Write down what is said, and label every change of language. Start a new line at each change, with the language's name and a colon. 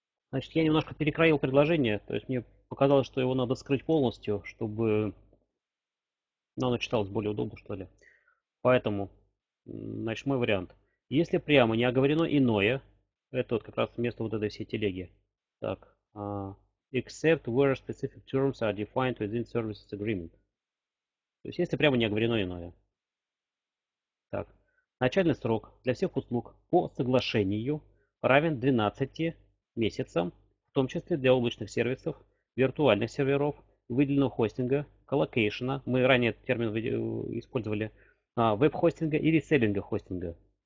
Russian: Значит, я немножко перекроил предложение. То есть мне показалось, что его надо скрыть полностью, чтобы оно читалось более удобно, что ли. Поэтому, значит, мой вариант. Если прямо не оговорено иное, это вот как раз вместо вот этой всей телеги.
English: Так, except where specific terms are defined within services agreement.
Russian: То есть, если прямо не оговорено иное. Так, начальный срок для всех услуг по соглашению равен 12 месяцам, в том числе для облачных сервисов, виртуальных серверов, выделенного хостинга, колокейшена, мы ранее этот термин использовали, веб-хостинга и реселлинга хостинга.